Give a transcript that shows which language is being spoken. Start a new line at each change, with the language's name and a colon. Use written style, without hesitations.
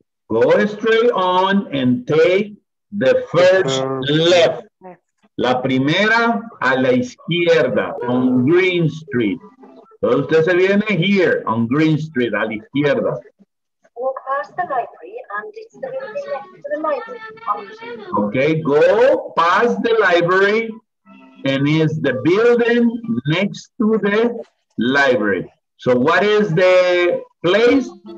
English: Go straight on and take the first left.
Spanish: La primera a la izquierda
English: on Green Street.
Spanish: So usted se viene
English: here on Green Street,
Spanish: a la izquierda.
English: Walk past the library and it's the next to the library. Okay, go past the library. And is the building next to the library. So what is the place?